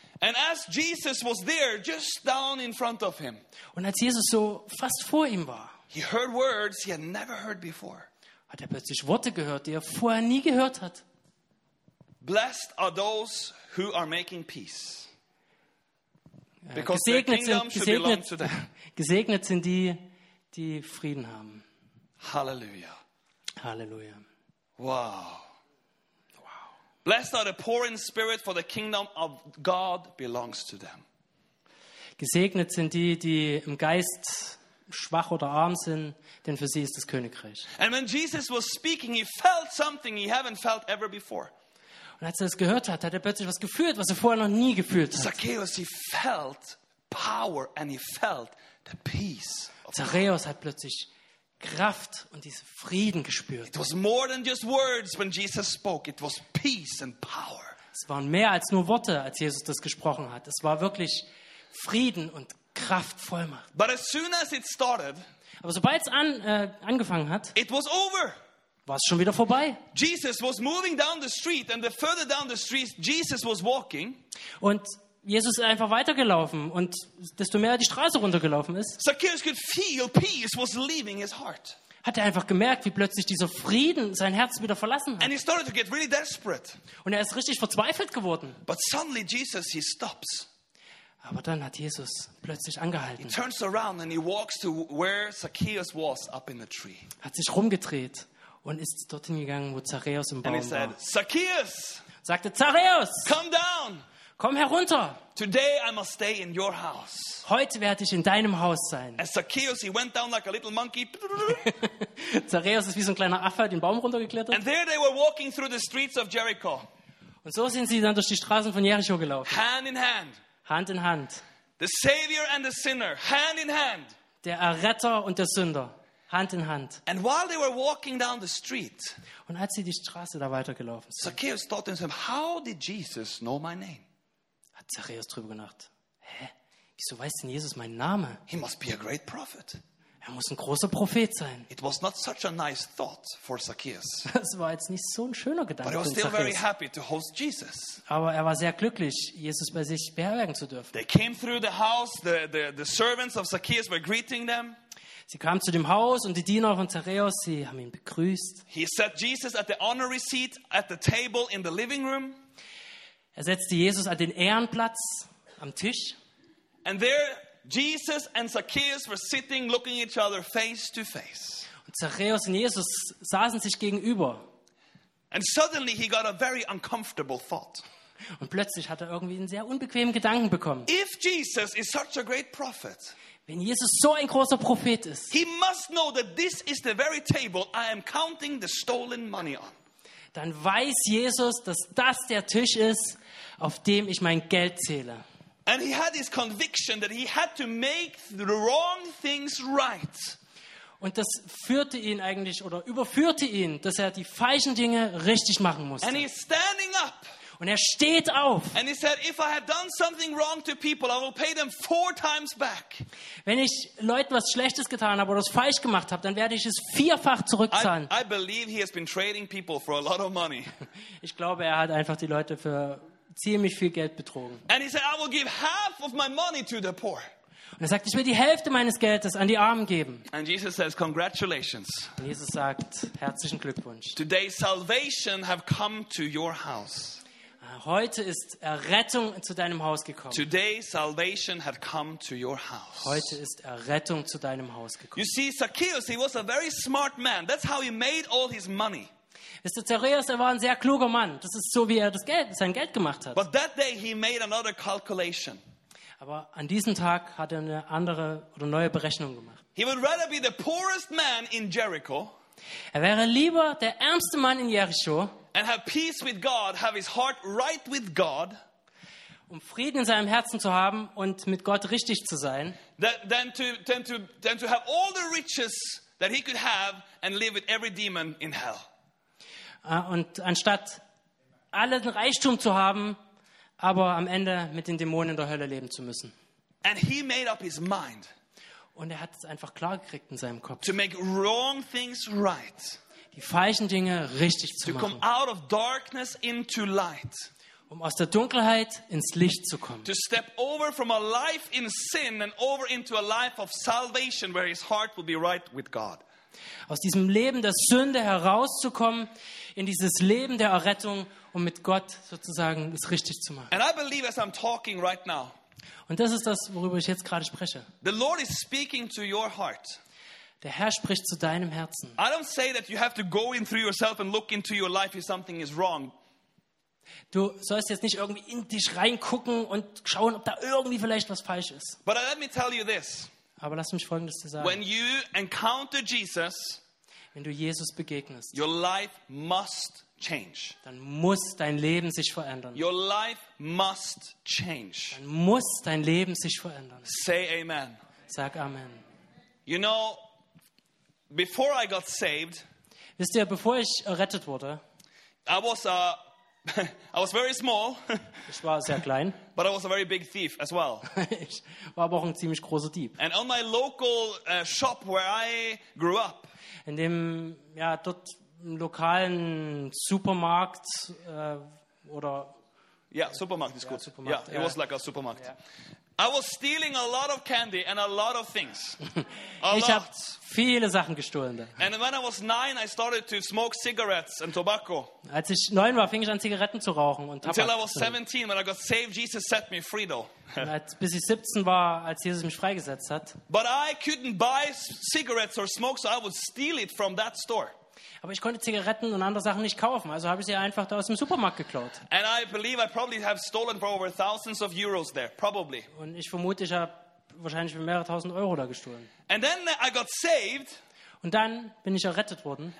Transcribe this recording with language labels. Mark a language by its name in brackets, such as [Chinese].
[English] And as Jesus was there, just down in front of him. [German] Und als Jesus so fast vor ihm war. [English] He heard words he had never heard before. [German] Hat er plötzlich Worte gehört, die er vorher nie gehört hat. [English] Blessed are those who are making peace. Because their kingdom should belong to them. [German] Gesegnet sind die, die Frieden haben. Hallelujah. Hallelujah. Wow. [English] Blessed are the poor in spirit, for the kingdom of God belongs to them. [German] Gesegnet sind die, die im Geist schwach oder arm sind, denn für sie ist das Königreich. [English] And when Jesus was speaking, he felt something he haven't felt ever before. [German] Und als er es gehört hat, hat er plötzlich was gefühlt, was er vorher noch nie gefühlt hat. [English] Zacchaeus, he felt power and he felt the peace. [German] Zacchaeus hat plötzlich Kraft und diesen Frieden gespürt. [English] It was more than just words when Jesus spoke. It was peace and power. [German] Es waren mehr als nur Worte, als Jesus das gesprochen hat. Es war wirklich Frieden und Kraft, Vollmacht. [English] But as soon as it started, [German] aber sobald es angefangen hat, [English] it was over. [German] War es schon wieder vorbei. [English] Jesus was moving down the street and the further down the street Jesus was walking. [German] Und Jesus ist einfach weitergelaufen und desto mehr er die Straße runtergelaufen ist, [English] Zacchaeus could feel peace was leaving his heart. [German] Hat er einfach gemerkt, wie plötzlich dieser Frieden sein Herz wieder verlassen hat. [English] And he started to get really desperate. [German] Und er ist richtig verzweifelt geworden. [English] But suddenly Jesus, he stops. [German] Aber dann hat Jesus plötzlich angehalten. [English] He turns around and he walks to where Zacchaeus was up in the tree. [German] Hat sich rumgedreht und ist dorthin gegangen, wo Zacchaeus im Baum [English] and he said, [German] war. [English] Zacchaeus, [German] sagte Zacchaeus, [English] come down. [German] Komm herunter. [English] Today I must stay in your house. [German] Heute werde ich in deinem Haus sein. [English] As Zacchaeus, he went down like a little monkey. [German] Zacchaeus ist wie so ein kleiner Affe, den Baum runtergeklettert. [English] And there they were walking through the streets of Jericho. [German] Und so sind sie dann durch die Straßen von Jericho gelaufen. [English] Hand in hand. [German] Hand in hand. [English] The savior and the sinner, hand in hand. [German] Der Erretter und der Sünder, Hand in Hand. [English] And while they were walking down the street, [German] und als sie die Straße da weitergelaufen sind, [English] Zacchaeus thought to himself, how did Jesus know my name? [German] Hat Zacchaeus drüber gedacht, hä? Wieso weiß denn Jesus meinen Namen? [English] He must be a great prophet. [German] Er muss ein großer Prophet sein. [English] It was not such a nice thought for Zacchaeus. [German] Das war jetzt nicht so ein schöner Gedanke. [English] But he was still very happy to host Jesus. [German] Aber er war sehr glücklich, Jesus bei sich beherbergen zu dürfen. [English] They came through the house, the servants of Zacchaeus were greeting them. [German] Sie kamen zu dem Haus und die Diener von Zacchaeus, sie haben ihn begrüßt. [English] He set Jesus at the honorary seat at the table in the living room. [German] Er setzte Jesus an den Ehrenplatz am Tisch. [English] And there Jesus and Zacchaeus were sitting looking each other face to face. [German] Und Zacchaeus und Jesus saßen sich gegenüber. [English] And suddenly he got a very uncomfortable thought. [German] Und plötzlich hat er irgendwie einen sehr unbequemen Gedanken bekommen. [English] If Jesus is such a great prophet, [German] wenn Jesus so ein großer Prophet ist, [English] he must know that this is the very table I am counting the stolen money on. [German] Dann weiß Jesus, dass das der Tisch ist, auf dem ich mein Geld zähle. [English] And he had this conviction that he had to make the wrong things right. [German] Und das führte ihn eigentlich oder überführte ihn, dass er die falschen Dinge richtig machen musste. [English] And he's standing up. [German] Und er steht auf. [English] And he said, if I have done something wrong to people, I will pay them four times back. [German] Wenn ich Leuten was Schlechtes getan habe oder es falsch gemacht habe, dann werde ich es vierfach zurückzahlen. [English] I believe he has been trading people for a lot of money. [German] Ich glaube, er hat einfach die Leute für ziemlich viel Geld betrogen. [English] And he said, I will give half of my money to the poor. [German] Und er sagt, ich will die Hälfte meines Geldes an die Armen geben. [English] And Jesus says, congratulations. [German] Und Jesus sagt, herzlichen Glückwunsch. [English] Today salvation have come to your house. [German] Heute ist Errettung zu deinem Haus gekommen. [English] Today salvation had come to your house. [German] Heute ist Errettung zu deinem Haus gekommen. [English] You see, Zacchaeus, he was a very smart man. That's how he made all his money. [German] Ist der Zacchaeus, er war ein sehr kluger Mann. Das ist so, wie er das Geld, sein Geld gemacht hat. [English] But that day he made another calculation. [German] Aber an diesem Tag hat er eine andere oder neue Berechnung gemacht. [English] He would rather be the poorest man in Jericho. [German] Er wäre lieber der ärmste Mann in Jericho. [English] And have peace with God, have his heart right with God. [German] Um Frieden in seinem Herzen zu haben und mit Gott richtig zu sein. [English] Than to have all the riches that he could have and live with every demon in hell. [German] Und anstatt allen Reichtum zu haben, aber am Ende mit den Dämonen in der Hölle leben zu müssen. [English] And he made up his mind. [German] Und er hat es einfach klar gekriegt in seinem Kopf. [English] To make wrong things right. [German] Die falschen Dinge richtig zu machen. [English] To come out of darkness into light. [German] Um aus der Dunkelheit ins Licht zu kommen. [English] To step over from a life in sin and over into a life of salvation where his heart will be right with God. [German] Aus diesem Leben der Sünde herauszukommen in dieses Leben der Errettung, um mit Gott sozusagen es richtig zu machen. [English] And I believe as I'm talking right now, [German] und das ist das, worüber ich jetzt gerade spreche. [English] The Lord is speaking to your heart. [German] Der Herr spricht zu deinem Herzen. [English] I don't say that you have to go in through yourself and look into your life if something is wrong. [German] Du sollst jetzt nicht irgendwie in dich reingucken und schauen, ob da irgendwie vielleicht was falsch ist. [English] But let me tell you this. [German] Aber lass mich Folgendes zu sagen. [English] When you encounter Jesus, [German] wenn du Jesus begegnest, [English] your life must change. [German] Dann muss dein Leben sich verändern. [English] Your life must change. [German] Dann muss dein Leben sich verändern. [English] Say amen. [German] Sag amen. [English] You know, before I got saved, [German] wisst ihr, bevor ich errettet wurde, [English] I was very small. [German] Ich war sehr klein. [English] But I was a very big thief as well. [German] Ich war aber auch ein ziemlich großer Dieb. [English] And on my local shop where I grew up. [German] In dem ja dort lokalen Supermarkt oder ja Supermarkt ist gut. Ja, Supermarkt. Ja, [English] it was like a supermarkt. Ja. I was stealing a lot of candy and a lot of things. [German] Ich habe viele Sachen gestohlen. [English] And when I was 9, I started to smoke cigarettes and tobacco. [German] Als ich 9 war, fing ich an Zigaretten zu rauchen und Tabak. [English] Until I was 17, when I got saved, Jesus set me free though. [German] Bis ich 17 war, als Jesus mich freigesetzt hat. [English] But I couldn't buy cigarettes or smoke, so I would steal it from that store. [German] Aber ich konnte Zigaretten und andere Sachen nicht kaufen, also habe ich sie einfach da aus dem Supermarkt geklaut. [English] And I believe I probably have stolen for over thousands of euros there, probably. [German] Und ich vermute, ich habe wahrscheinlich für mehrere tausend Euro da gestohlen. [English] And then I got saved. [German] Und dann bin ich errettet worden.